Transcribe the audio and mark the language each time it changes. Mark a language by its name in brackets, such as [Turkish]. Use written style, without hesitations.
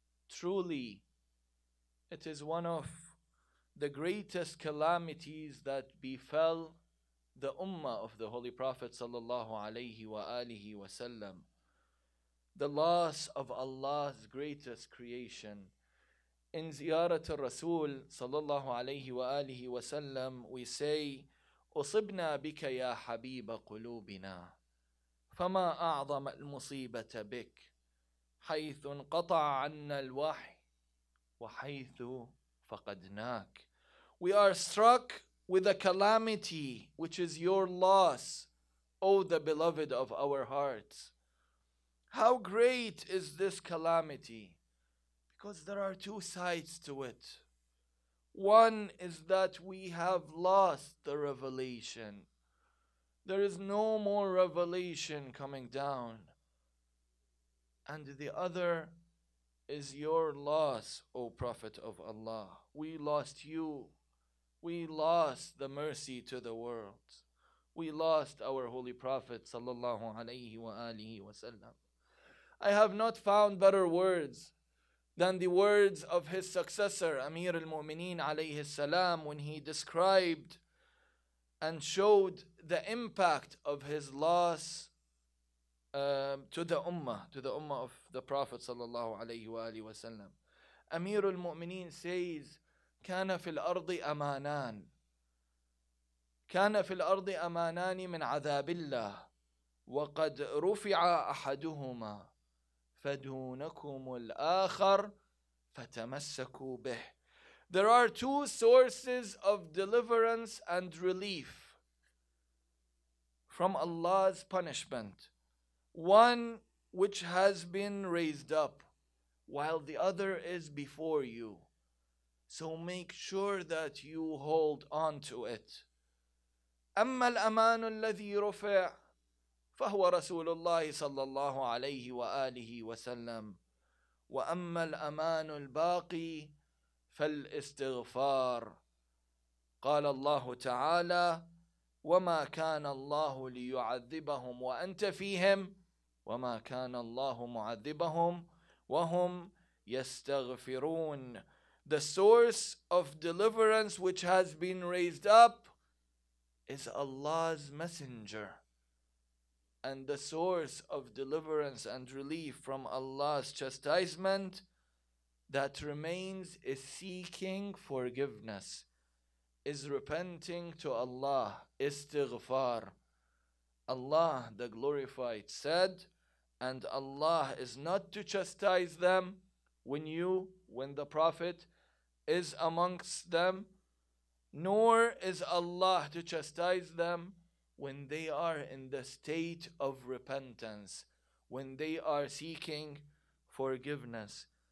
[English] Truly, it is one of the greatest calamities that befell the Ummah of the Holy Prophet sallallahu alayhi wa alihi wa sallam. The loss of Allah's greatest creation. In Ziyarat al-Rasul sallallahu alayhi wa alihi wa sallam, we say, [Arabic] أُصِبْنَا بِكَ يَا حَبِيبَ قُلُوبِنَا فَمَا أَعْظَمَ الْمُصِيبَةَ بِكَ حيث انقطع عنا الوحي وحيث فقدناك. [English] We are struck with a calamity which is your loss, O the beloved of our hearts. How great is this calamity? Because there are two sides to it. One is that we have lost the revelation. There is no more revelation coming down. And the other is your loss, O Prophet of Allah. We lost you. We lost the mercy to the world. We lost our Holy Prophet sallallahu alayhi wa alihi wa sallam. I have not found better words than the words of his successor, Amir al-Mu'mineen alayhi salam, when he described and showed the impact of his loss to the ummah of the Prophet sallallahu alayhi wa alihi wa sallam. Amir al-Mu'mineen says, [Arabic] كان في الأرض أمانان كان في الأرض أمانان من عذاب الله وقد رفع أحدهما فدونكم الآخر فتمسكوا به. [English] There are two sources of deliverance and relief from Allah's punishment. One which has been raised up, while the other is before you. So make sure that you hold on to it. [Arabic] أَمَّا الْأَمَانُ الَّذِي رُفِعْ فَهُوَ رَسُولُ اللَّهِ صَلَّى اللَّهُ عَلَيْهِ وَآلِهِ وَسَلَّمْ وَأَمَّا الْأَمَانُ الْبَاقِي فَالْإِسْتِغْفَارِ قَالَ اللَّهُ تَعَالَى وَمَا كَانَ اللَّهُ لِيُعَذِّبَهُمْ وَأَنْتَ فِيهِمْ وَمَا كَانَ اللَّهُ مُعَذِّبَهُمْ وَهُمْ يَسْتَغْفِرُونَ. [English] The source of deliverance which has been raised up is Allah's messenger. And the source of deliverance and relief from Allah's chastisement that remains is seeking forgiveness, is repenting to Allah, istighfar. Allah the Glorified said, and Allah is not to chastise them when the Prophet is amongst them, nor is Allah to chastise them when they are in the state of repentance, when they are seeking forgiveness.